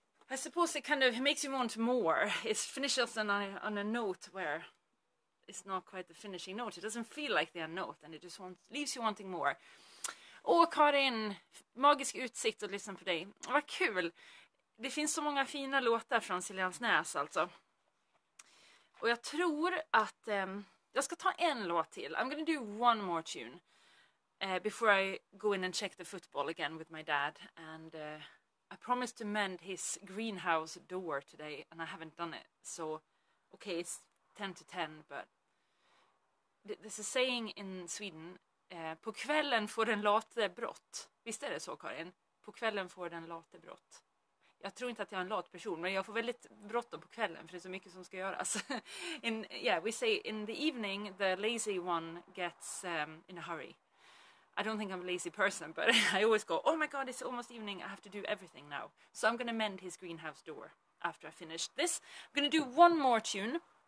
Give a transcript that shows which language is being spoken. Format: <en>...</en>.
<en>I suppose it kind of makes you want more. It finishes on a note where it's not quite the finishing note. It doesn't feel like the end note, and it just wants, leaves you wanting more.</en> <sv>Åh, Karin, magisk utsikt att lyssna på dig. Vad kul. Det finns så många fina låtar från Siljans Näs alltså. Och jag tror att jag ska ta en låt till.</sv> <en>I'm gonna do one more tune before I go in and check the football again with my dad. And I promised to mend his greenhouse door today and I haven't done it. So, okay, it's 10 to 10, but there's a saying in Sweden.</en> <sv>På kvällen får den late brott. Visst är det så, Karin? På kvällen får den late brott. Jag tror inte att jag är en lat person, men jag får väldigt bråttom på kvällen för det är så mycket som ska göras.</sv> <en>In, yeah, we say in the evening the lazy one gets in a hurry. I don't think I'm a lazy person, but I always go, oh my god, it's almost evening, I have to do everything now. So I'm gonna mend his greenhouse door after I finish this. I'm gonna do one more tune.</en>